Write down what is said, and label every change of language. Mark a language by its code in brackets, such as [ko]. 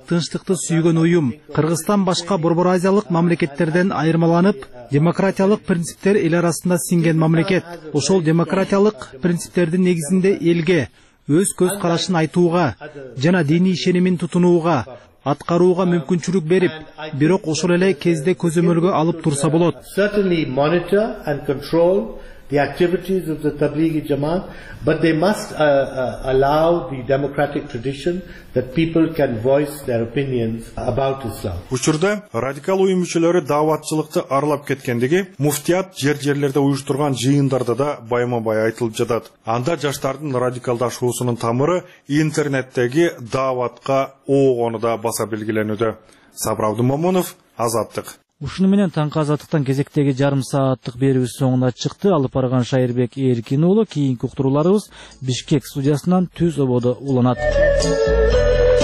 [ky] Тынчтыкты сүйгөн уюм. Кыргызстан башка борбор азиялык мамлекеттерден айырмаланып, демократиялык принциптер эл арасында сиңген мамлекет. Ошол демократиялык принциптердин негизинде элге өз көз карашын айтууга жана диний ишенимин тутунууга, аткарууга мүмкүнчүлүк берип, бирок ошол эле кезде көзөмөлгө алып турса болот. [en] Certainly monitor and control the activities of the Tablighi Jamaat, but they must allow the democratic tradition that people can voice their opinions about Islam. [ky] Учурда радикал уюм мүчөлөрү даватчылыкты аралап кеткендиги муфтият жер-жерлерде уюштурган жыйындарда да байма-бай айтылып жатат. Анда жаштардын радикалдашуусунун тамыры интернеттеги даватка оогону да баса белгиленүүдө. Сабравды Момонов, Азаттык. Ушуну менен таңкы азаттыктан кезектеги жарым сааттык берүүбүз соңуна чыкты. Алып барган Шайырбек Эркин уулу, кийинки уктурууларыбыз Бишкек студиясынан түз ободо уланат.